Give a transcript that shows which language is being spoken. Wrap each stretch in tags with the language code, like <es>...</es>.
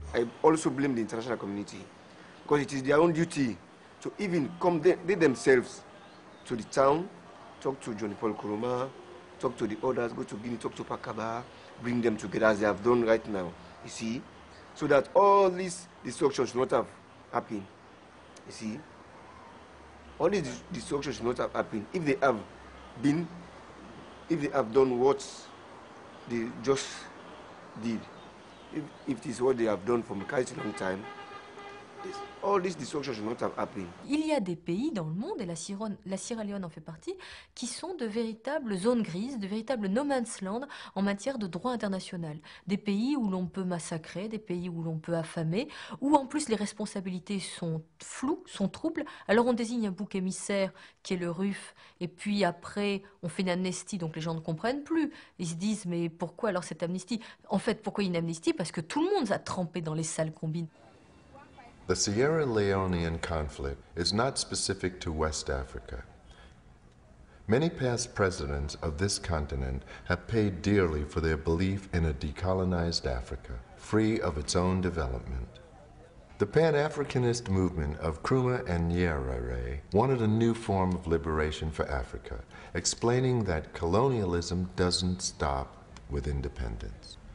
<en>I also blame the international community, because it is their own duty to even come they themselves to the town, talk to John Paul Nkrumah, talk to the others, go to Guinea, talk to Pakaba, bring them together as they have done right now, you see, so that all this destruction should not have happened, you see. All this destruction should not have happened if they have been, if they have done what they just did. If it is what they have done for quite a long time, all this destruction should not have happened.</en> <fr>Il y a des pays dans le monde, et la Sierra Leone en fait partie, qui sont de véritables zones grises, de véritables no man's land en matière de droit international. Des pays où l'on peut massacrer, des pays où l'on peut affamer, où en plus les responsabilités sont floues, sont troubles. Alors on désigne un bouc émissaire qui est le RUF, et puis après on fait une amnistie, donc les gens ne comprennent plus. Ils se disent, mais pourquoi alors cette amnistie? En fait, pourquoi une amnistie? Parce que tout le monde a trempé dans les sales combines.</fr> <en>The Sierra Leonean conflict is not specific to West Africa. Many past presidents of this continent have paid dearly for their belief in a decolonized Africa, free of its own development. The Pan-Africanist movement of Nkrumah and Nyerere wanted a new form of liberation for Africa, explaining that colonialism doesn't stop with independence.</en>